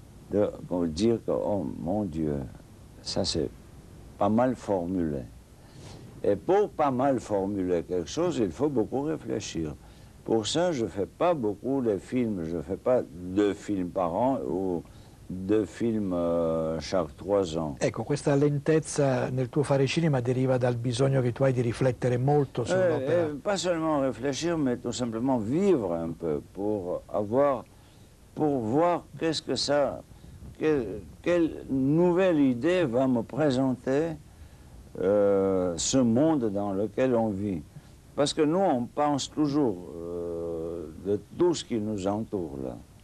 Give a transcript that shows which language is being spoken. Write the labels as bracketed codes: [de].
[fr] De dire que, oh mon Dieu, ça c'est pas mal formulé. Et pour pas mal formuler quelque chose, il faut beaucoup réfléchir. Pour ça, je fais pas beaucoup les films, je fais pas deux films par an ou deux films chaque trois ans. [it] Ecco, questa lentezza nel tuo fare cinema deriva dal bisogno che tu hai di riflettere molto sull'opera. [fr] Pas seulement réfléchir, mais tout simplement vivre un peu pour voir qu'est-ce que ça... Quelle nouvelle idée va me présenter ce monde dans lequel on vit? Parce que nous, on pense toujours de tout ce qui nous entoure, là.